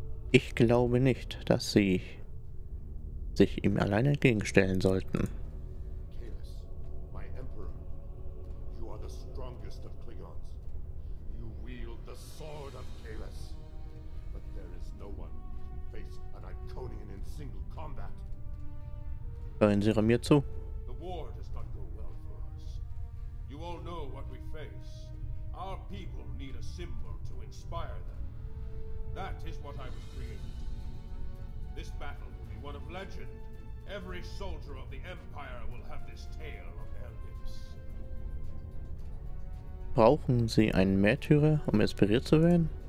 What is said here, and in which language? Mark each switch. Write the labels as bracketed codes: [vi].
[de] Ich glaube nicht, dass sie sich ihm alleine entgegenstellen sollten. [en] Kalus, my emperor, you are the strongest of Klingons. You wield the sword of Kalus. But there is no one who can face an Iconian in single combat. [de] Hören Sie mir zu. [en] The war does not go well for us. You all know what we face. Our people need a symbol to inspire them. That is what I was created to do. This battle will be one of legend. Every soldier of the Empire will have this tale on their lips. [de] Brauchen Sie einen Märtyrer, um inspiriert zu werden?